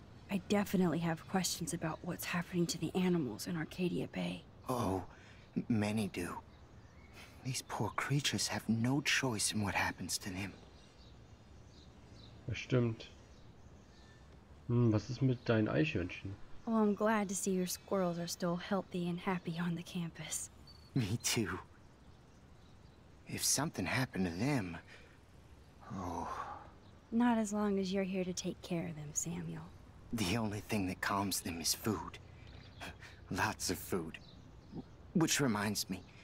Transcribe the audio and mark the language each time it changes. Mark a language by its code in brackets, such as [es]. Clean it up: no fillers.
[en] I definitely have questions about what's happening to the animals in Arcadia Bay. Oh, many do. These poor creatures have no choice in what happens to them. [de] Das stimmt. Was ist mit deinen Eichhörnchen? [en] Oh, I'm glad to see your squirrels are still healthy and happy on the campus. Me too. If something happened to them... Oh... Not as long as you're here to take care of them, Samuel. The only thing that calms them is food. Lots of food. Which reminds me...